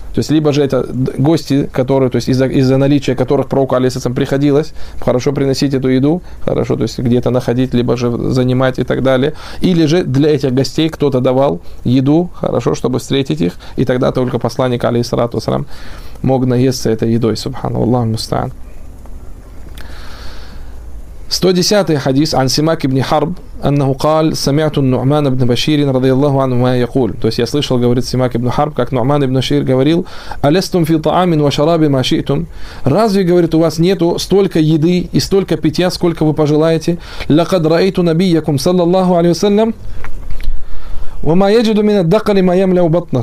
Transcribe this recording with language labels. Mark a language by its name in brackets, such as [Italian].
[Russian] То есть, либо же это гости, которые, то есть, из-за наличия которых пророку алейхиссалям приходилось хорошо приносить эту еду, хорошо, то есть, где-то находить, либо же занимать и так далее. Или же для этих гостей кто-то давал еду, хорошо, чтобы встретить их, и тогда только посланник алейхиссалату вассалям мог наесться этой едой, субханаллах мустаан. [Arabic] 110-й хадис عن سماك بن حرب انه قال سمعت النعمان بن بشير رضي الله عنه ما يقول. [Russian] То есть я слышал, говорит Симак ибн Харб, как Нуман ибн Башир говорил: [Arabic] алестум фи таам ва шараби ма шитум. [Russian] Разве, говорит, у вас нету столько еды и столько питья, сколько вы пожелаете? [Arabic] Лакад раиту набийякум саллаллаху алейхи ва саллям وما يجد من الدقل ما يملا بطنه.